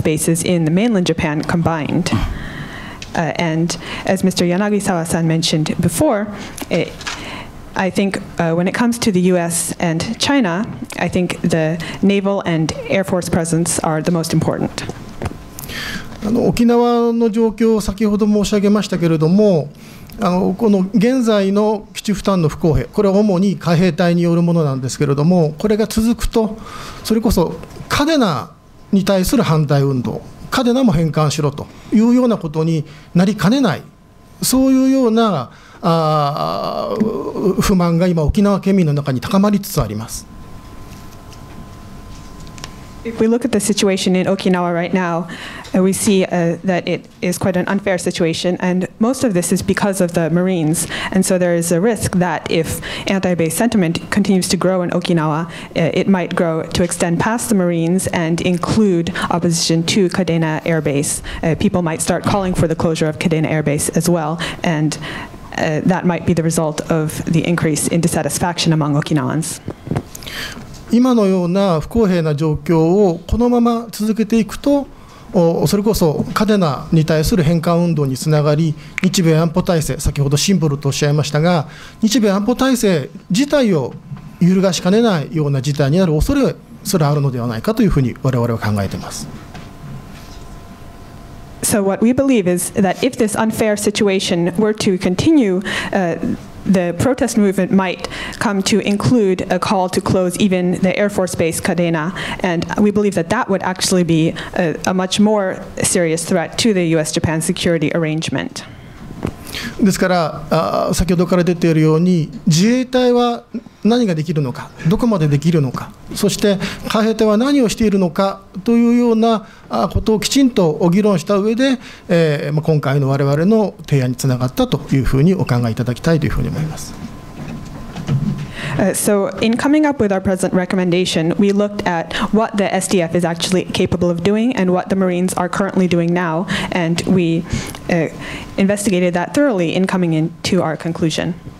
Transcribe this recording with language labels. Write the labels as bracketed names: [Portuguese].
[English] bases in the mainland Japan combined. And as Mr. Yanagisawa-san mentioned before, I think when it comes to the U.S. and China, I think the naval and air force presence are the most important. [Japanese] 沖縄の状況を先ほど申し上げましたけれども、この現在の基地負担の不公平、これは主に海兵隊によるものなんですけれども、これが続くと、それこそカデナに対する反対運動、カデナも返還しろというようなことになりかねない、そういうような不満が今沖縄県民の中に高まりつつあります。 [English] If we look at the situation in Okinawa right now, we see that it is quite an unfair situation, and most of this is because of the Marines, and so there is a risk that if anti-base sentiment continues to grow in Okinawa, it might grow to extend past the Marines and include opposition to Kadena Air Base. People might start calling for the closure of Kadena Air Base as well, and that might be the result of the increase in dissatisfaction among Okinawans. [Japanese] 今のような不公平な状況をこのまま続けていくと、それこそカデナに対する返還運動につながり、日米安保体制、先ほどシンボルとおっしゃいましたが、日米安保体制自体を揺るがしかねないような事態になる恐れすらあるのではないかというふうに我々は考えています。 [English] So what we believe is that if this unfair situation were to continue, the protest movement might come to include a call to close even the Air Force Base Kadena. And we believe that that would actually be a much more serious threat to the U.S.-Japan security arrangement. [Japanese] ですから、先ほどから出ているように、自衛隊は何ができるのか、どこまでできるのか、そして海兵隊は何をしているのかというようなことをきちんと議論した上で、今回の我々の提案につながったというふうにお考えいただきたいというふうに思います。 [English] So in coming up with our present recommendation, we looked at what the SDF is actually capable of doing and what the Marines are currently doing now, and we investigated that thoroughly in coming into our conclusion.